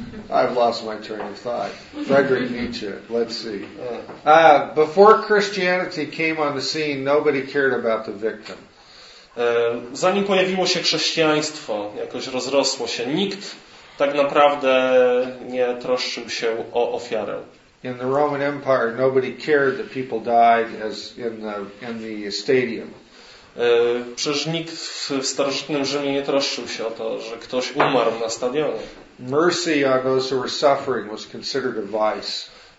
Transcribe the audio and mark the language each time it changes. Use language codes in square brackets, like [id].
[en] I've lost my train of thought. Friedrich Nietzsche. Let's see. Before Christianity came on the scene, nobody cared about the victim. [pl] Zanim pojawiło się chrześcijaństwo, jakoś rozrosło się, nikt tak naprawdę nie troszczył się o ofiarę. [en] In the Roman Empire, nobody cared that people died as in the stadium. [pl] Przecież nikt w starożytnym Rzymie nie troszczył się o to, że ktoś umarł na stadionie. [en] Mercy on those who were suffering was considered a vice.